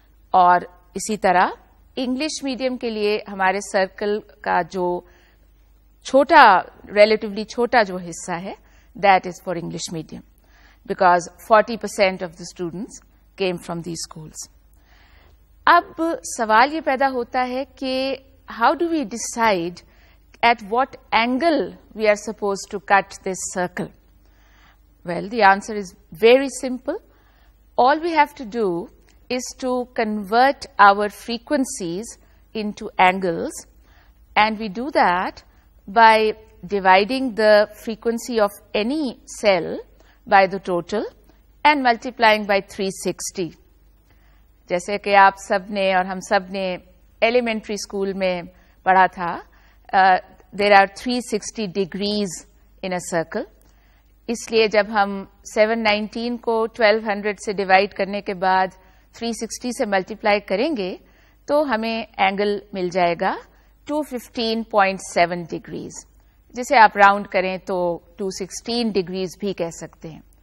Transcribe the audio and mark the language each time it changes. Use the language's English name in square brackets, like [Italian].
[Urdu] اور اسی طرح انگلش میڈیم کے لیے ہمارے سرکل کا جو چھوٹا, ریلیٹیولی چھوٹا جو حصہ ہے, [English] That is for English medium, because 40% of the students came from these schools. [Urdu] اب سوال یہ پیدا ہوتا ہے کہ [English] how do we decide at what angle we are supposed to cut this circle? Well, the answer is very simple. All we have to do is to convert our frequencies into angles, and we do that by dividing the frequency of any cell by the total and multiplying by 360. [Urdu] جیسے کہ آپ سب نے اور ہم سب نے elementary school میں پڑھا تھا [English] there are 360 degrees in a circle [Urdu] اس لیے جب ہم 719 کو 1200 سے ڈیوائڈ کرنے کے بعد 360 سے ملٹی پلائی کریں گے تو ہمیں اینگل مل جائے گا 215.7 ڈگریز جسے آپ راؤنڈ کریں تو 216 ڈگریز بھی کہہ سکتے ہیں